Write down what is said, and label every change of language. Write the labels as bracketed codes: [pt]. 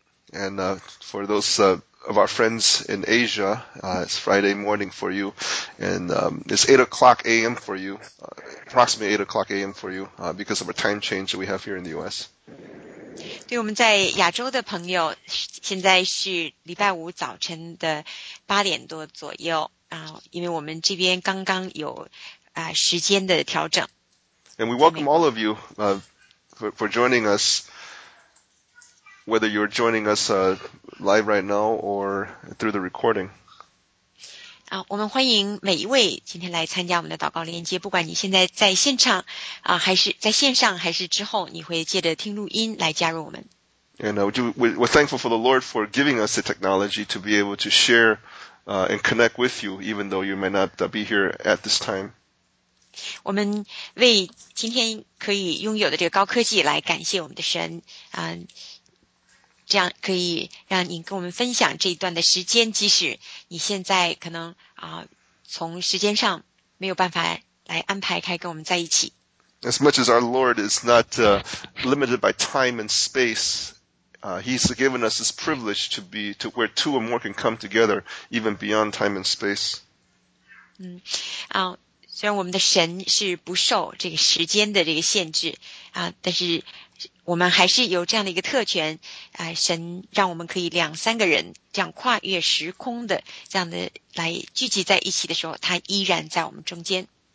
[en] And for those of our friends in Asia, it's Friday morning for you, and it's 8 o'clock a.m. for you, approximately 8 o'clock a.m. for you, because of a time change that we have here in the U.S. [zh] 对我们在亚洲的朋友，现在是礼拜五早晨的八点多左右，因为我们这边刚刚有时间的调整。 [en] And we welcome all of you for joining us, whether you're joining us live right now or through the recording. [zh] 我们欢迎每一位今天来参加我们的祷告连接，不管你现在在现场还是在线上，还是之后你会借着听录音来加入我们。 [en] And we're thankful for the Lord for giving us the technology to be able to share and connect with you, even though you may not be here at this time. [zh] 我们为今天可以拥有的这个高科技来感谢我们的神这样可以让你跟我们分享这一段的时间，即使你现在可能从时间上没有办法来安排开跟我们在一起。 [en] As much as our Lord is not limited by time and space, He's given us this privilege to be to where two or more can come together, even beyond time and space. [zh] 虽然我们的神是不受这个时间的这个限制但是。我们还是有这样的一个特权神让我们可以两三个人这样跨越时空的这样的来聚集在一起的时候，他依然在我们中间。